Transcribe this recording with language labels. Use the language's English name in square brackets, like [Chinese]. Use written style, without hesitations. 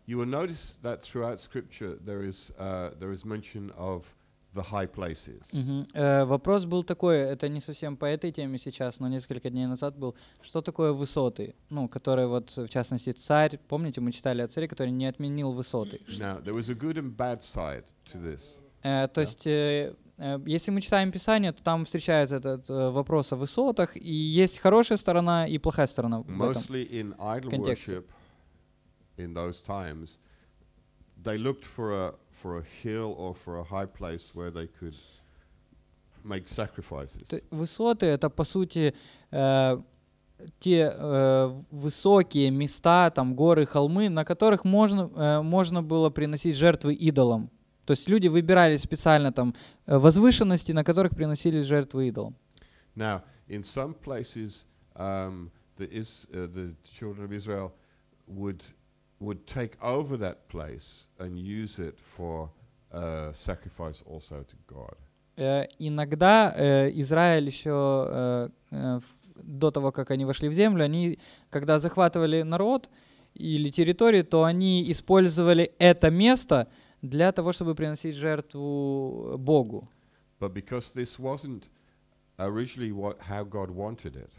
[English] You will notice that throughout scripture there is mention of the high places. [Russian] Вопрос был такой, это не совсем по этой теме сейчас, но несколько дней назад был. Что такое высоты? Ну, которые вот, в частности, царь, помните, мы читали о царе, который не отменил высоты. [English] Now, there was a good and bad side to this. [Russian] То есть, если мы читаем Писание, то там встречается этот вопрос о высотах, и есть хорошая сторона и плохая сторона в этом контексте. [English] Mostly in idol worship, in those times, they looked for a hill or for a high place where they could make sacrifices. [Russian] Высоты — это по сути те высокие места, там горы, холмы, на которых можно было приносить жертвы идолам. То есть люди выбирали специально там возвышенности, на которых приносили жертвы идолам. [English] Now, in some places the children of Israel would take over that place and use it for sacrifice also to God. [Russian] Иногда Израиль еще до того, как они вошли в землю, они, когда захватывали народ или территорию, то они использовали это место для того, чтобы приносить жертву Богу. [English] But because this wasn't originally what, how God wanted it.